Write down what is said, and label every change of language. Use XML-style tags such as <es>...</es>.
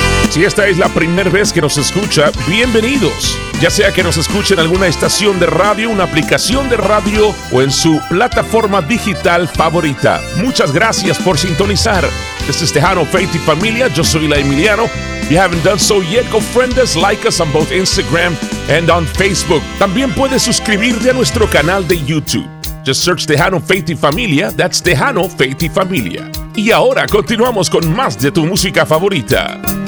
<es>Si esta es la primera vez que nos escucha, bienvenidos. Ya sea que nos escuche en alguna estación de radio, una aplicación de radio o en su plataforma digital favorita. Muchas gracias por sintonizar.</es> <en>This is</en> <es>Tejano, Faith y Familia. Yo soy La Emiliano.</es> <en>If you haven't done so yet, go friend us, like us on both Instagram and on Facebook.</en> <es>También puedes suscribirte a nuestro canal de YouTube.</es> <en>Just search</en> <es>Tejano, Faith y Familia.</es> <en>That's</en> <es>Tejano, Faith y Familia. Y ahora continuamos con más de tu música favorita.</es>